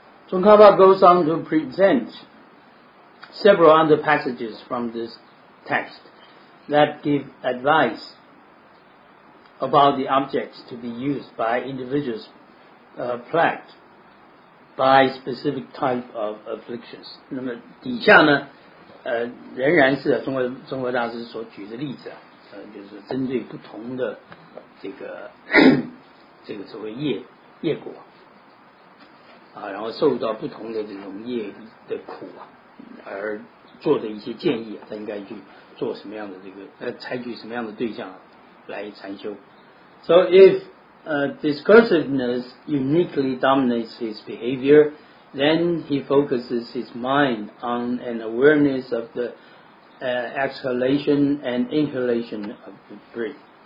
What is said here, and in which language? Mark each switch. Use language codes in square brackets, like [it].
[en] Tsongkhapa goes on to presentseveral other passages from this text that give advice about the objects to be used by individuals plagued by specific type of afflictions. [zh] 那么底下呢仍然是中国大师所举的例子就是针对不同的这个所谓业果啊，然后受到不同的这种业的苦啊而做的一些建议，他应该去做什么样的这个采取什么样的对象来禅修。 [en] So if discursiveness uniquely dominates his behavior, then he focuses his mind on an awareness of the exhalation and inhalation of the breath.